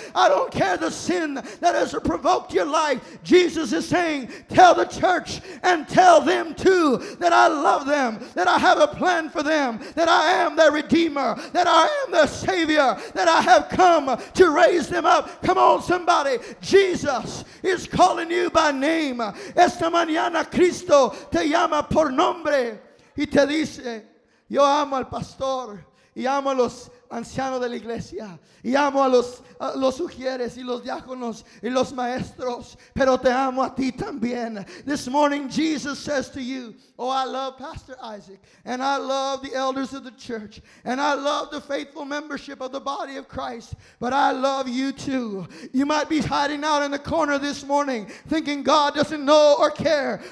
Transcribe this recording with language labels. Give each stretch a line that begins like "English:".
English: I don't care the sin that has provoked your life. Jesus is saying, tell the church and tell them too that I love them, that I have a plan for them, that I am their Redeemer, that I am their Savior, that I have come to raise them up. Come on, somebody. Jesus is calling you by name.
Spanish: Esta mañana Cristo te llama por nombre y te dice, yo amo al pastor y amo a los ancianos de la iglesia y amo a los sugieres y los diáconos y los maestros, pero te amo a ti también.
English: This morning Jesus says to you, oh, I love Pastor Isaac and I love the elders of the church and I love the faithful membership of the body of Christ, but I love you too. You might be hiding out in the corner this morning thinking God doesn't know or care.